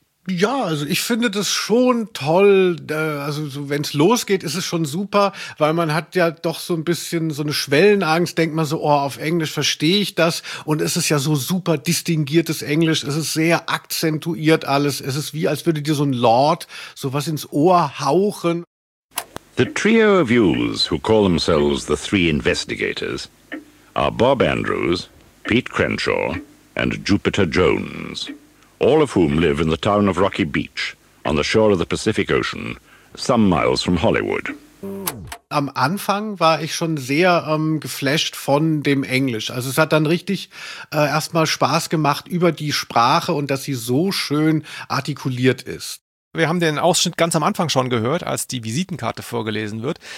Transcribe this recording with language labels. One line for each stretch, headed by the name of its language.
German: Ja, also ich finde das schon toll. Also so, wenn es losgeht, ist es schon super, weil man hat ja doch so ein bisschen so eine Schwellenangst, denkt man so, oh, auf Englisch verstehe ich das. Und es ist ja so super distinguiertes Englisch. Es ist sehr akzentuiert alles. Es ist wie, als würde dir so ein Lord sowas ins Ohr hauchen.
English: The trio of youths, who call themselves the three investigators, are Bob Andrews, Pete Crenshaw and Jupiter Jones. All of whom live in the town of Rocky Beach, on the shore of the Pacific Ocean, some miles from Hollywood.
German: Am Anfang war ich schon sehr geflasht von dem Englisch. Also es hat dann richtig erstmal Spaß gemacht über die Sprache und dass sie so schön artikuliert ist. Wir haben den Ausschnitt ganz am Anfang schon gehört, als die Visitenkarte vorgelesen wird.